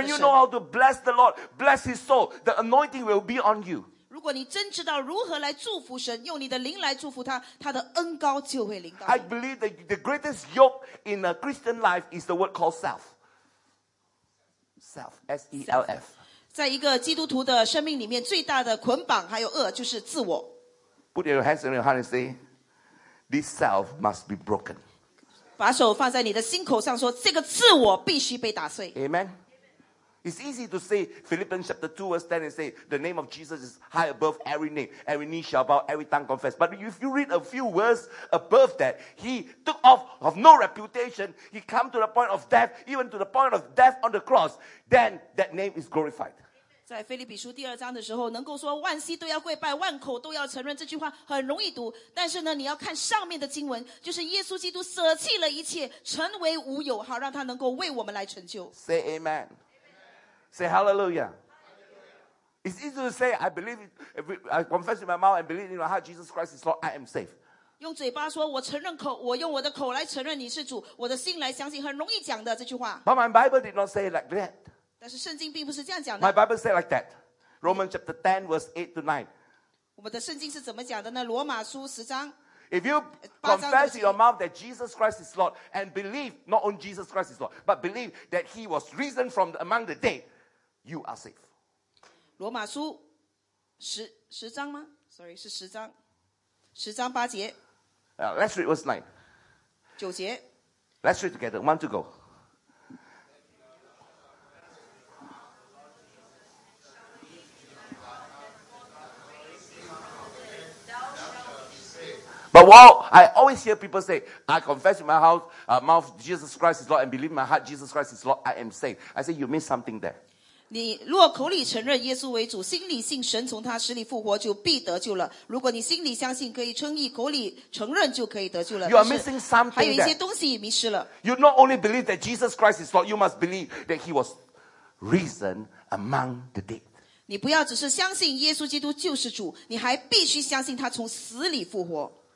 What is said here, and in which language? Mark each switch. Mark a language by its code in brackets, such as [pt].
[zh] 神。 [en] When you know how to bless the Lord, bless His soul, the anointing will be on you. [zh] 如果你真知道如何来祝福神，用你的灵来祝福他，他的恩膏就会临到你。 [en] I believe that the greatest yoke in a Christian life is the word called self. Self, S-E-L-F. [zh] 在一个基督徒的生命里面，最大的捆绑还有恶就是自我。 [en] Put your hands on your heart and say, "This self must be broken." [zh] 把手放在你的心口上，说这个自我必须被打碎。 [en] Amen. It's easy to say Philippians chapter 2 verse 10 and say the name of Jesus is high above every name. Every knee shall bow, every tongue confess. But if you read a few words above that, he took off of no reputation. He came to the point of death, even to the point of death on the cross. Then that name is glorified. [zh] 在腓立比书第二章的时候能够说万膝都要跪拜万口都要承认这句话很容易读。但是呢你要看上面的经文就是耶稣基督舍弃了一切成为无有好让他能够为我们来成就。 [en] Say Amen. Say hallelujah. It's easy to say, I believe it. I confess in my mouth and believe in my heart, Jesus Christ is Lord, I am safe. [zh] 用嘴巴说，我承认口，我用我的口来承认你是主，我的心来相信，很容易讲的这句话。 [en] But my Bible did not say it like that. [zh] 但是圣经并不是这样讲的。 [en] My Bible said like that. Romans chapter 10, verse 8 to 9. [zh] 我们的圣经是怎么讲的呢？罗马书十章。 [en] If you confess in your mouth that Jesus Christ is Lord and believe not only Jesus Christ is Lord, but believe that he was risen from among the dead,You are safe. [zh] 罗马书十章吗 ？ [en] Sorry, [zh] 是十章，十章八节。 [en] Let's read verse 9. [zh] 九节。 [en] Let's read together. One to go. But while I always hear people say, I confess in my mouth Jesus Christ is Lord and believe in my heart Jesus Christ is Lord, I am safe. I say you missed something there. [zh] 你若口里承认耶稣为主，心里信神从他死里复活，就必得救了。如果你心里相信可以称义，口里承认就可以得救了。 [en] You are missing something. [zh] 还有一些东西迷失了。 [en] You not only believe that Jesus Christ is Lord, you must believe that He was risen among the dead. [zh] 你不要只是相信耶稣基督就是主，你还必须相信他从死里复活。